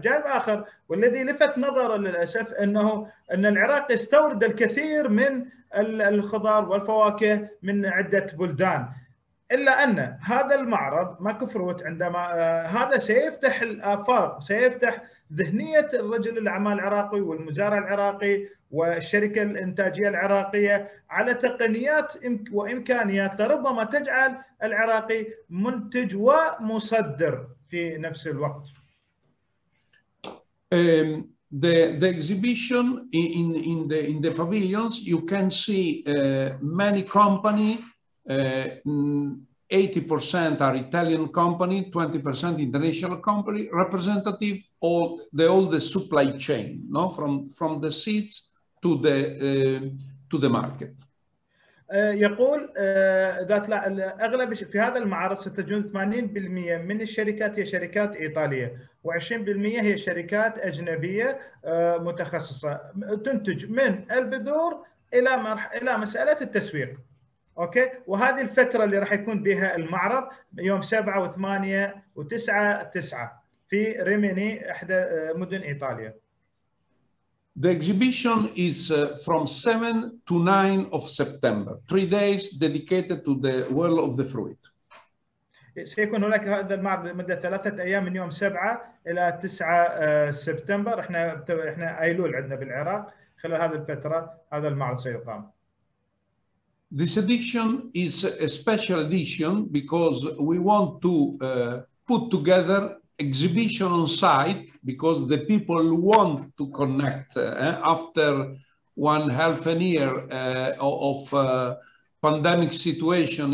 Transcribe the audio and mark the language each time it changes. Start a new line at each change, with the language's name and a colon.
Arabic: جانب آخر والذي لفت نظره للأسف أنه أن العراق يستورد الكثير من الخضار والفواكه من عدة بلدان، إلا أن هذا المعرض ماكفروت عندما هذا سيفتح الآفاق، سيفتح ذهنية الرجل الأعمال العراقي والمزارع العراقي والشركة الإنتاجية العراقية على تقنيات وإمكانيات ربما تجعل العراقي منتج ومصدر في نفس الوقت.
English: The exhibition in the pavilions, you can see many company, 80% are Italian company, 20% international company representative, all the supply chain, no, from the seeds to the market.
Arabic: يقول ذات الأغلب في هذا المعرض ستجون 80% من الشركات هي شركات إيطالية و 20% هي شركات أجنبية متخصصة تنتج من البذور إلى مسألة التسويق. أوكي، وهذه الفترة اللي راح يكون بها المعرض يوم 7, 8, 9 في ريميني إحدى مدن إيطاليا.
English: The exhibition is from 7 to 9 of September, 3 days dedicated to the world of the fruit.
Arabic: سيكون هناك هذا المعرض لمدة 3 أيام من يوم 7 إلى 9 سبتمبر. إحنا أيلول عندنا بالعراق، خلال هذه الفترة هذا المعرض سيقام.
English: This edition is a special edition because we want to put together exhibition on site, because the people want to connect after one half an year of pandemic situation.